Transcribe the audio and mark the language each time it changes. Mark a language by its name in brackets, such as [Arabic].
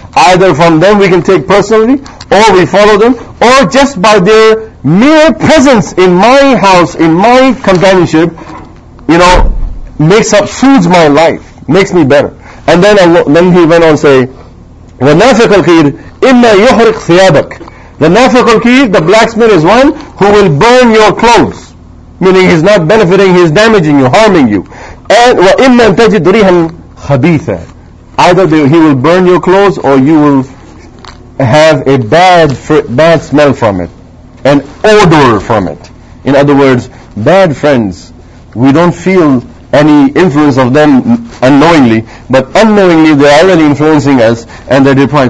[English] Either from them we can take personally, or we follow them, or just by their mere presence in my house, in my companionship, you know, makes up, soothes my life, makes me better. And then he went on to say, the nafiq al-khir, [Arabic] إِمَّا يُحْرِقْ ثِيَابَكَ. [English] The nafiq al-khir, the blacksmith, is one who will burn your clothes. Meaning he's not benefiting, he's damaging you, harming you. And [Arabic] وَإِمَّا تَجِدْ رِيحًا خَبِيثًا. [English] Either he will burn your clothes, or you will have a bad smell from it, an odor from it. In other words, bad friends, we don't feel any influence of them unknowingly, but unknowingly they are already influencing us, and they're deprived.